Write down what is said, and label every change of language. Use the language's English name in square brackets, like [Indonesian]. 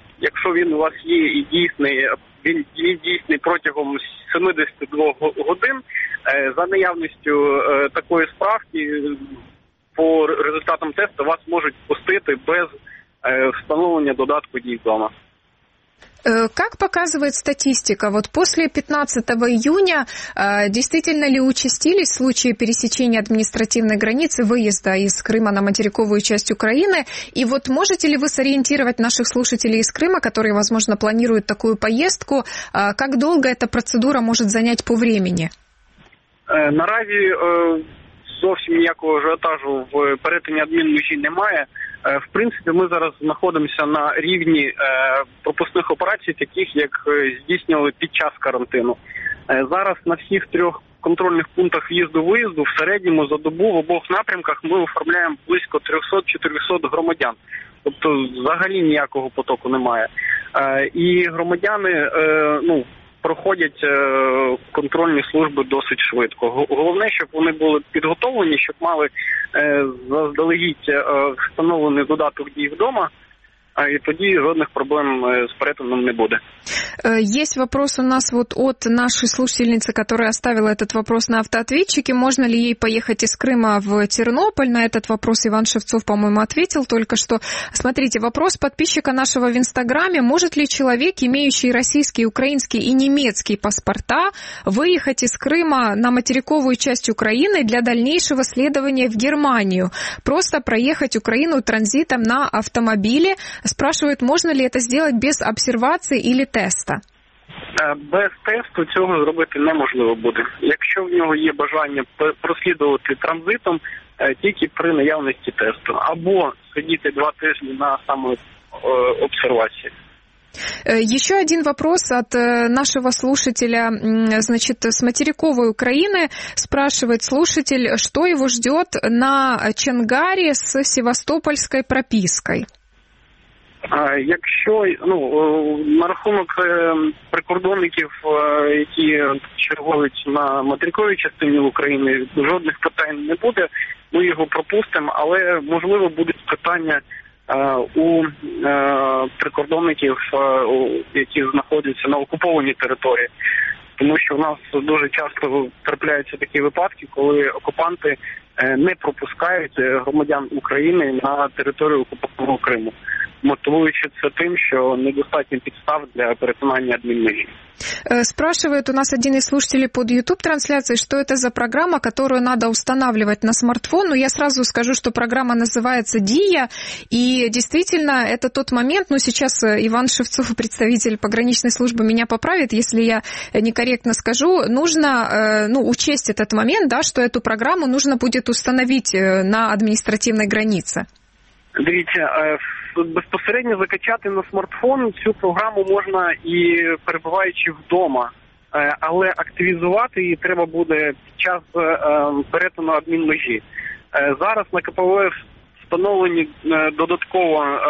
[Ukrainian] Якщо він у вас є і дійсний, він дійсний протягом 72 годин, за наявністю такої справки по результатам тесту вас можуть пустити без встановлення додатку дій дома. [Russian] Как показывает статистика, вот после 15 июня действительно ли участились случаи пересечения административной границы, выезда из Крыма на материковую часть Украины? И вот можете ли вы сориентировать наших слушателей из Крыма, которые, возможно, планируют такую поездку, как долго эта процедура может занять по времени? [Ukrainian] Наразі зовсім ніякого ажіотажу в перетині адмінмежі немає. В принципі, ми зараз знаходимося на рівні пропускних операцій, таких, як здійснювали під час карантину. Зараз на всіх трьох контрольних пунктах в'їзду-виїзду в середньому за добу в обох напрямках ми оформляємо близько 300-400 громадян. Тобто взагалі ніякого потоку немає. І громадяни проходять контрольні служби досить швидко. Головне, щоб вони були підготовлені, щоб мали заздалегідь встановлений додаток дій вдома, і тоді жодних проблем з перетином не буде. [Russian] Есть вопрос у нас вот от нашей слушательницы, которая оставила этот вопрос на автоответчике. Можно ли ей поехать из Крыма в Тернополь? На этот вопрос Иван Шевцов, по-моему, ответил только что. Смотрите, вопрос подписчика нашего в Инстаграме. Может ли человек, имеющий российские, украинские и немецкие паспорта, выехать из Крыма на материковую часть Украины для дальнейшего следования в Германию? Просто проехать Украину транзитом на автомобиле? Спрашивают, можно ли это сделать без обсервации или теста? [Ukrainian] Без тесту цього зробити неможливо буде. Якщо в нього є бажання прослідувати транзитом, тільки при наявності тесту. Або сидіти два тижні на самообсервації. [Russian] Еще один вопрос от нашего слушателя, значит, с материковой Украины. Спрашивает слушатель, что его ждет на Чангаре с севастопольской пропиской? [Ukrainian] Якщо на рахунок прикордонників, які чергують на материковій частині України, жодних питань не буде, ми його пропустимо, але можливо будуть питання у прикордонників, які знаходяться на окупованій території. Тому що в нас дуже часто трапляються такі випадки, коли окупанти не пропускають громадян України на територію окупованого Криму, мотивуючи це тим, що недостатньо підстав для перетинання адмінмежі. [Russian] Спрашивает у нас один из слушателей под YouTube-трансляцией, что это за программа, которую надо устанавливать на смартфон. Но я сразу скажу, что программа называется «Дия». И действительно, это тот момент, сейчас Иван Шевцов, представитель пограничной службы, меня поправит, если я некорректно скажу. Нужно учесть этот момент, да, что эту программу нужно будет установить на административной границе. [Ukrainian] Дивіться, безпосередньо закачати на смартфон цю програму можна і перебуваючи вдома, але активізувати її треба буде під час перетину адмінмежі. Зараз на КПВ встановлені додатково